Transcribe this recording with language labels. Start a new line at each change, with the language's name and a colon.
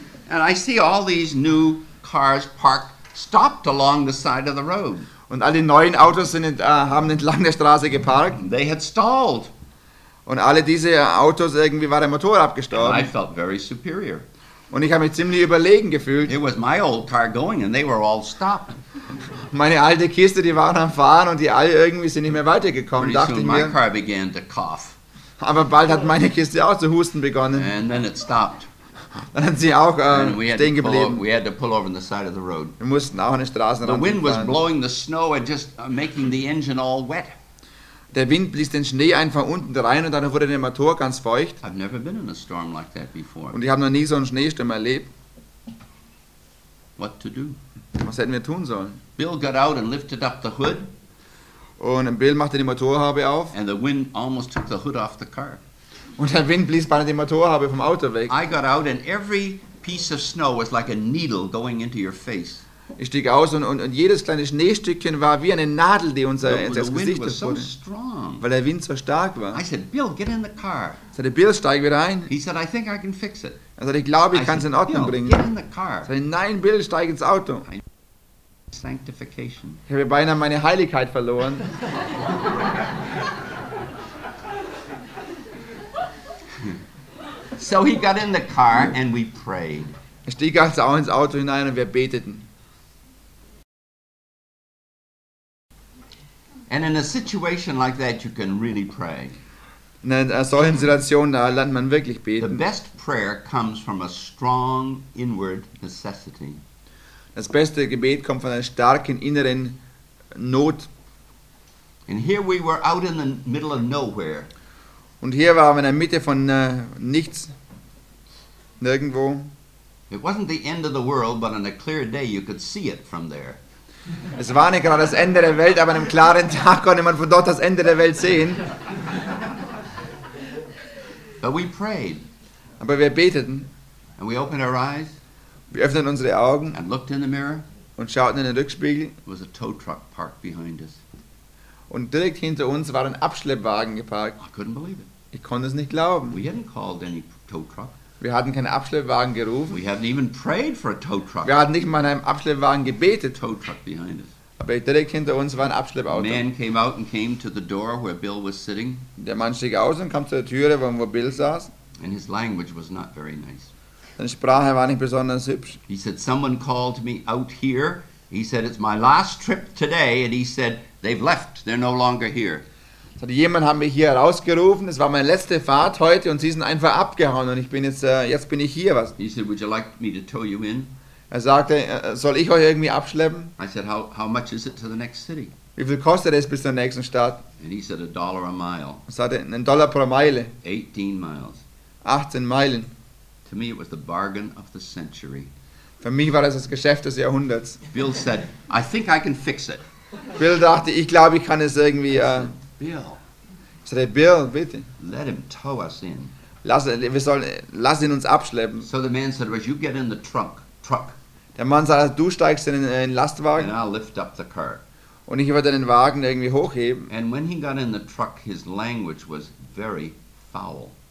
English: And I see all these new cars parked, stopped along the side of the road.
German: Und alle neuen Autos haben entlang der Straße geparkt.
English: They had stalled.
German: Und alle diese Autos, irgendwie war der Motor abgestorben.
English: I felt very superior.
German: Und ich habe mich ziemlich überlegen gefühlt.
English: It was my old car going and they were all stopped.
German: Meine alte Kiste, die waren am Fahren und die alle irgendwie sind nicht mehr weitergekommen,
English: pretty
German: dachte
English: soon
German: ich mir.
English: My car began to cough.
German: Aber bald hat meine Kiste auch zu husten begonnen.
English: And then it stopped.
German: Dann sind sie auch stehen geblieben.
English: We had to pull over on the side of the road.
German: Wir mussten auch an der Straße ran.
English: The wind was blowing the snow and just making the engine all wet.
German: Der Wind blies den Schnee einfach unten rein und dann wurde der Motor ganz feucht.
English: I've never been in a storm like that before.
German: Und ich habe noch nie so einen Schneesturm erlebt.
English: What to do?
German: Was hätten wir tun sollen?
English: Bill got out and lifted up the hood.
German: Und Bill machte die Motorhaube auf.
English: And the wind almost took the hood off the car.
German: Und der Wind blies beinahe die Motorhaube vom Auto weg.
English: I got out and every piece of snow was like a needle going into your face.
German: Ich stieg aus und jedes kleine Schneestückchen war wie eine Nadel, die unser Gesicht wurde. So weil der Wind so stark war.
English: I said, Bill, get in the car.
German: Ich sagte, Bill, steig wieder ein.
English: He said, I think I can fix it.
German: Er sagte, ich glaube, ich kann es in Ordnung bringen.
English: Get in the car.
German: Ich sagte, nein, Bill, steig ins Auto.
English: Sanctification.
German: Ich habe beinahe meine Heiligkeit verloren.
English: So he got in the car and we prayed.
German: Ich stieg also auch ins Auto hinein und wir beteten.
English: And in a situation like that, you can really pray.
German: In einer solchen Situation, da lernt man wirklich beten.
English: The best prayer comes from a strong inward necessity.
German: Das beste Gebet kommt von einer starken inneren Not.
English: And here we were out in the middle of nowhere.
German: Und hier waren wir in der Mitte von nichts, nirgendwo.
English: It wasn't the end of the world, but on a clear day you could see it from there.
German: Es war nicht gerade das Ende der Welt, aber an einem klaren Tag konnte man von dort das Ende der Welt sehen.
English: But we prayed.
German: Aber wir beteten.
English: And we opened our eyes.
German: Wir öffneten unsere Augen.
English: And looked in the mirror.
German: Und schauten in den Rückspiegel.
English: There was a tow truck parked behind us.
German: Und direkt hinter uns war ein Abschleppwagen geparkt.
English: I couldn't believe it.
German: Ich konnte es nicht glauben.
English: We hadn't called any tow truck.
German: Wir hatten keinen Abschleppwagen gerufen.
English: We hadn't even prayed for a tow truck.
German: Wir hatten nicht mal in einem Abschleppwagen gebetet.
English: Tow truck behind us.
German: Aber direkt hinter uns war ein Abschleppauto.
English: Man came out and came to the door where Bill was sitting.
German: Der Mann stieg aus und kam zur Tür, wo Bill saß.
English: And his language was not very nice.
German: Seine Sprache war nicht besonders hübsch.
English: He said, someone called me out here. He said, it's my last trip today. And he said, they've left. They're no longer here.
German: Jemand hat mich hier herausgerufen. Es war meine letzte Fahrt heute und sie sind einfach abgehauen und ich bin jetzt bin ich hier. Was?
English: He said, would you like me to tow you in?
German: Er sagte, soll ich euch irgendwie abschleppen?
English: I said, how much is it to the next city?
German: Wie viel kostet es bis zur nächsten Stadt?
English: And he said, a dollar a mile.
German: Er sagte, ein Dollar pro Meile.
English: 18 miles.
German: 18 Meilen.
English: To me, it was the bargain of the century.
German: Für mich war das Geschäft des Jahrhunderts.
English: Bill said, I think I can fix it.
German: Bill dachte, ich glaube, ich kann es irgendwie.
English: Bill.
German: Ich sagte, Bill, bitte.
English: Let him tow us in.
German: Lass ihn uns abschleppen.
English: So the man said, well, you get in the truck.
German: Der Mann sagte, du steigst in den Lastwagen.
English: And I'll lift up the car.
German: Und ich werde den Wagen irgendwie hochheben.
English: And when he got in the truck, his language was very foul.